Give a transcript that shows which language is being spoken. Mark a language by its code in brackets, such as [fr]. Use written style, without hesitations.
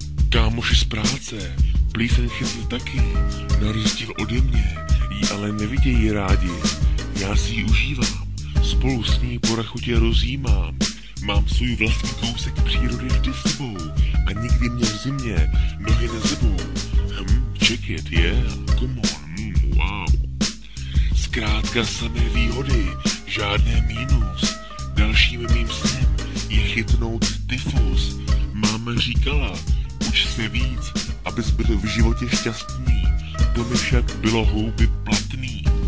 [cs] Kámoši z práce, plíseň chytli taky, na rozdíl ode mě, jí ale nevidějí rádi, já si ji užívám. Spolu s ní po rachutě rozjímám, mám svůj vlastní kousek přírody vždy s tebou a nikdy mě v zimě nohy nezebou. [en] Check it, yeah, come on, wow. [cs] Zkrátka samé výhody, žádné mínus, dalším mým snem je chytnout tyfus. Máma říkala, uč se víc, abys byl v životě šťastný, to mi však bylo houby platný.